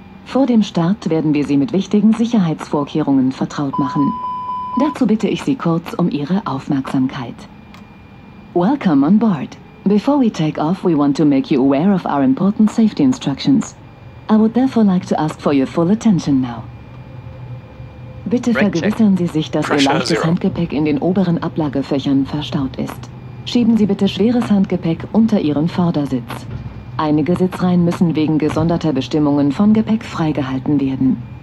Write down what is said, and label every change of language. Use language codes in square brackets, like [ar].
[de] Vor dem Start werden wir Sie mit wichtigen Sicherheitsvorkehrungen vertraut machen. Dazu bitte ich Sie kurz um Ihre Aufmerksamkeit. [en] Welcome on board. Before we take off, we want to make you aware of our important safety instructions. I would therefore like to ask for your full attention now. [de] Bitte vergewissern Sie sich, dass Ihr leichtes Handgepäck in den oberen Ablagefächern verstaut ist. Schieben Sie bitte schweres Handgepäck unter Ihren Vordersitz. Einige Sitzreihen müssen wegen gesonderter Bestimmungen von Gepäck freigehalten werden.